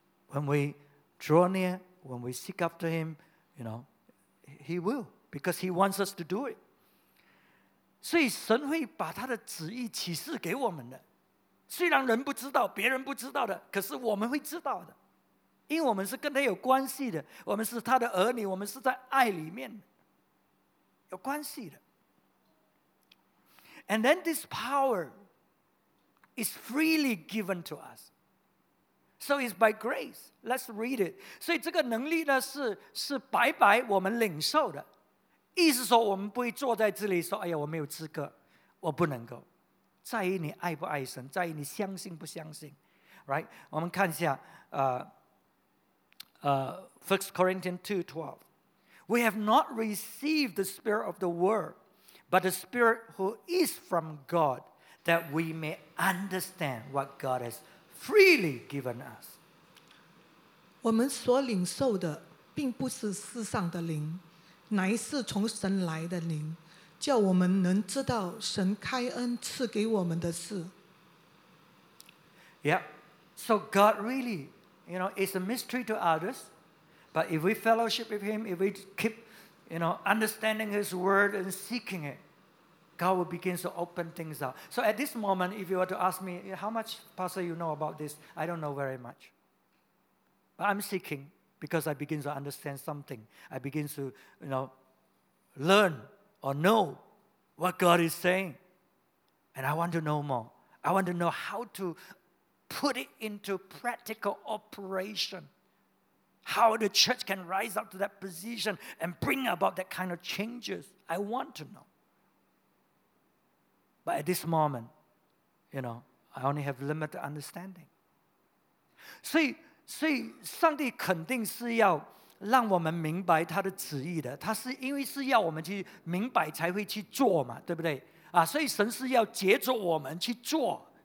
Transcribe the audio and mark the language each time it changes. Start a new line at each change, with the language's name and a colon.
English: When we draw near, when we seek after him, you know, he will, because he wants us to do it.
Chinese: 所以神会把他的旨意启示给我们的，虽然人不知道，别人不知道的，可是我们会知道的，因为我们是跟他有关系的，我们是他的儿女，我们是在爱里面有关系的。
English: And then this power is freely given to us. So it's by grace. Let's read it.
Chinese: 所以这个能力呢 是白白我们领受的。意思说我们不会坐在这里说，哎呀，我没有资格，我不能够。在于你爱不爱神，在于你相信不相信。 Right? 我们看一下 1 Corinthians 2:12.
English: We have not received the spirit of the world, but the spirit who is from God, that we may understand what God has done. Freely given us.
Chinese: 我们所领受的并不是世上的灵，乃是从神来的灵，叫我们能知道神开恩赐给我们的事。
English: Yeah, so God really, you know, is a mystery to others, but if we fellowship with him, if we keep, you know, understanding his word and seeking it,God will begin to open things up. So at this moment, if you were to ask me, how much, Pastor, you know about this? I don't know very much. But I'm seeking. because I begin to understand something. I begin to, you know, learn or know what God is saying. And I want to know more. I want to know how to put it into practical operation. How the church can rise up to that position and bring about that kind of changes. I want to know. But at this moment, you know, I only have limited understanding.
Chinese: 所以上帝肯定是要让我们明白他的旨意的。他是因为是要我们去明白才会去做嘛，对不对？所以神是要藉着我们去做。